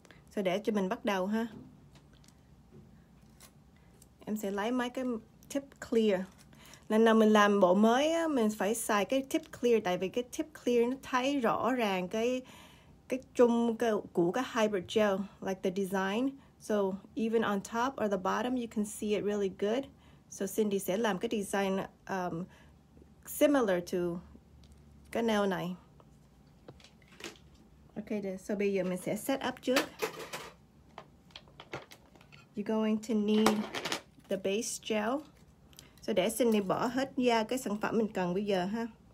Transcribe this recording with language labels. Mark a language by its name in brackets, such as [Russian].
[Vietnamese] So để cho mình bắt đầu ha. Em sẽ lấy mấy cái tip clear. Lần nào mình làm bộ mới á, mình phải xài cái tip clear, tại vì cái tip clear nó thấy rõ ràng cái chung của cái hybrid gel, [English] like the design. So even on top or the bottom, you can see it really good. [Vietnamese] So Cindy sẽ làm cái design similar to cái nail này. Okay, so bây giờ mình sẽ set up trước. [English] You're going to need the base gel. [Vietnamese] So để Cindy bỏ hết da cái sản phẩm mình cần bây giờ ha.